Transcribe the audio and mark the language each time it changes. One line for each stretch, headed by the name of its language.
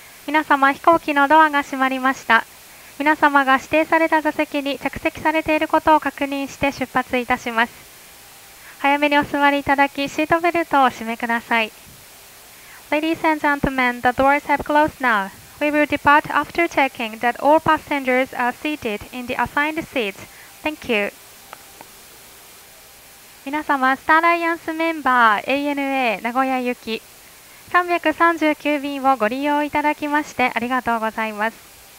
Japanese: 皆様、飛行機のドアが閉まりました。皆様が指定された座席に着席されていることを確認して出発いたします。早めにお座りいただき、シートベルトをお締めください。
English: Ladies and gentlemen, the doors have closed now. We will depart after checking that all passengers are seated in the assigned seats. Thank you.
Japanese: 皆様、スターライアンスメンバー ANA 名古屋行き339便をご利用いただきましてありがとうございます。